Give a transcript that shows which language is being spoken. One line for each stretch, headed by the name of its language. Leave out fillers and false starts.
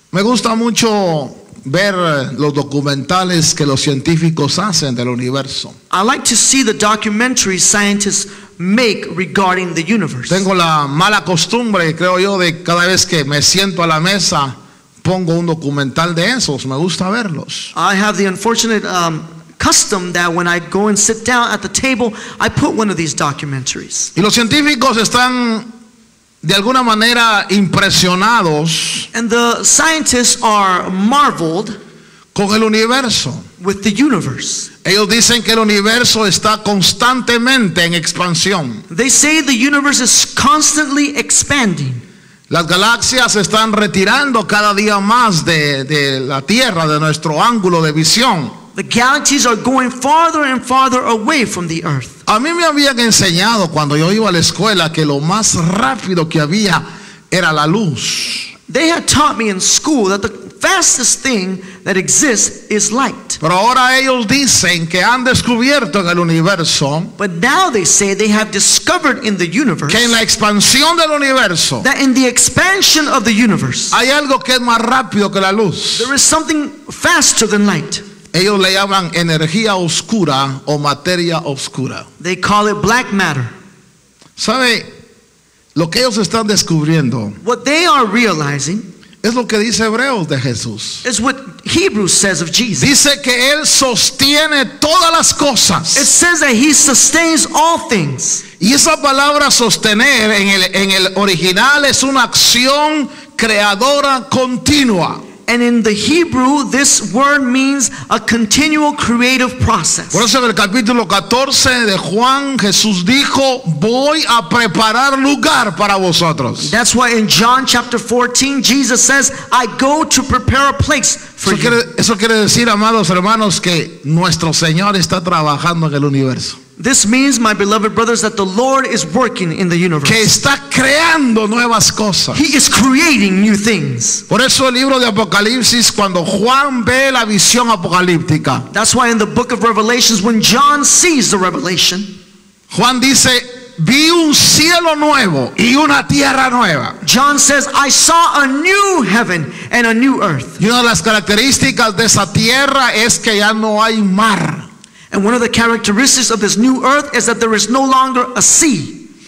Spanish: Me gusta mucho ver los documentales que los científicos hacen del universo.
English: I like to see the documentaries scientists make regarding the universe.
Spanish: Tengo la mala costumbre, creo yo, de cada vez que me siento a la mesa, pongo un documental de esos. Me gusta verlos.
English: I have the unfortunate custom that when I go and sit down at the table, I put one of these documentaries.
Spanish: Y los científicos están de alguna manera impresionados.
English: And the scientists are marveled
Spanish: con el universo.
English: With the universe.
Spanish: Ellos dicen que el universo está constantemente en expansión.
English: They say the universe is constantly expanding.
Spanish: Las galaxias están retirando cada día más de la Tierra, de nuestro ángulo de visión.
English: The galaxies are going farther and farther away from the Earth.
Spanish: A mí me habían enseñado cuando yo iba a la escuela que lo más rápido que había era la luz.
English: They had taught me in school that the fastest thing that exists is light.
Spanish: Pero ahora ellos dicen que han descubierto en el universo.
English: But now they say they have discovered in the universe.
Spanish: Que en la expansión del universo.
English: That in the expansion of the universe.
Spanish: Hay algo que es más rápido que la luz.
English: There is something faster than light.
Spanish: Ellos le llaman energía oscura o materia oscura.
English: They call it black matter.
Spanish: ¿Sabe lo que ellos están descubriendo?
English: What they are realizing
Spanish: es lo que dice Hebreos de Jesús.
English: Is what Hebrews says of Jesus.
Spanish: Dice que él sostiene todas las cosas.
English: It says that he sustains all things.
Spanish: Y esa palabra sostener en el original es una acción creadora continua.
English: And in the Hebrew, this word means a continual creative process.
Spanish: Por eso en el capítulo 14 de Juan, Jesús dijo, voy a preparar lugar para vosotros.
English: That's why in John chapter 14, Jesus says, I go to prepare a place for you.
Spanish: Eso quiere decir, amados hermanos, que nuestro Señor está trabajando en el universo.
English: This means, my beloved brothers, that the Lord is working in the universe.
Spanish: Que está creando nuevas cosas.
English: He is creating new things.
Spanish: Por eso el libro de Apocalipsis, cuando Juan ve la visión apocalíptica.
English: That's why in the book of Revelations, when John sees the revelation.
Spanish: Juan dice, vi un cielo nuevo y una tierra nueva.
English: John says, I saw a new heaven and a new earth.
Spanish: Y una de las características de esa tierra es que ya no hay mar.
English: And one of the characteristics of this new earth is that there is no longer a sea.